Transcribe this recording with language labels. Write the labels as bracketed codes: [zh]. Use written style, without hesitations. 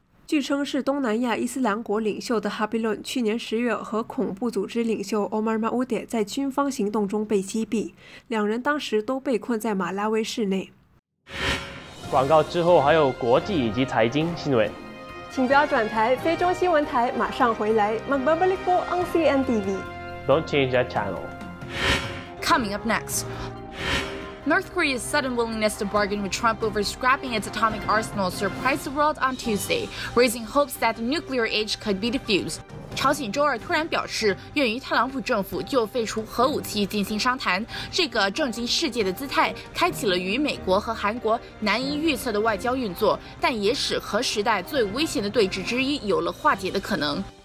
[zh] 据称是东南亚伊斯兰国领袖的 Habilon 去年十月和恐怖组织领袖 Omar Maude 在军方行动中被击毙，两人当时都被困在马拉维市内。广告之后还有国际以及财经新闻，请不要转台，非洲新闻台马上回来。 [tl] Magbabalik po ang CNTV. [en] Don't change that channel. Coming up next, North Korea's sudden willingness to bargain with Trump over scrapping its atomic arsenal surprised the world on Tuesday, raising hopes that the nuclear age could be defused. [zh] 朝鲜周二突然表示，愿与特朗普政府就废除核武器进行商谈。这个震惊世界的姿态，开启了与美国和韩国难以预测的外交运作，但也使核时代最危险的对峙之一有了化解的可能。